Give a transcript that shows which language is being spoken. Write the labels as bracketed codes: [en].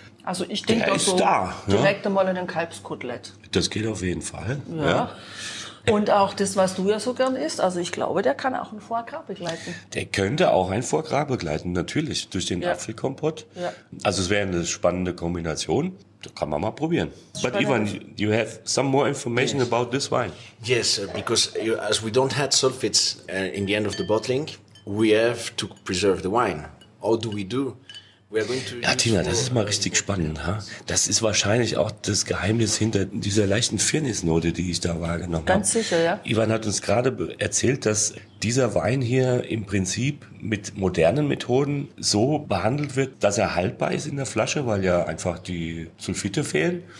[de] Also ich denke auch so da, direkt einmal in ein Kalbskotelett. Das geht auf jeden Fall. Ja. Ja. Und auch das, was du ja so gern isst, also ich glaube, der kann auch ein Foie Gras begleiten. Der könnte auch ein Foie Gras begleiten, natürlich, durch den Apfelkompott. Ja. Also es wäre eine spannende Kombination. Das kann man mal probieren. [en] But Ivan, you have some more information about this wine. Yes, because as we don't have sulfites in the end of the bottling, we have to preserve the wine. How do we do? [de] Ja, Tina, das ist mal richtig spannend. Ha? Das ist wahrscheinlich auch das Geheimnis hinter dieser leichten Firnisnote, die ich da wahrgenommen habe. Ganz sicher, ja. Ivan hat uns gerade erzählt, dass dieser Wein hier im Prinzip mit modernen Methoden so behandelt wird, dass er haltbar ist in der Flasche, weil ja einfach die Sulfite fehlen.